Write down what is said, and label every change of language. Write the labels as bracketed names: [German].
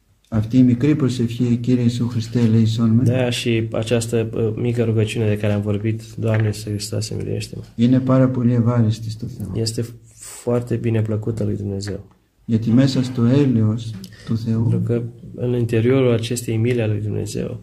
[Greek] Αυτή η μικρή προσευχή, Κύριε Ιησού Χριστέ, ελέησόν με. Ναι, [Romanian] și această mică rugăciune de care am vorbit, Doamne Iisus Hristos, miliește-mă. [Greek] Είναι πάρα πολύ ευάρεστη στο Θεό. [Romanian] Este foarte bine plăcută lui Dumnezeu. [Greek] Γιατί μέσα στο έλεος του Θεού, [Romanian] pentru că în interiorul acestei milii lui Dumnezeu,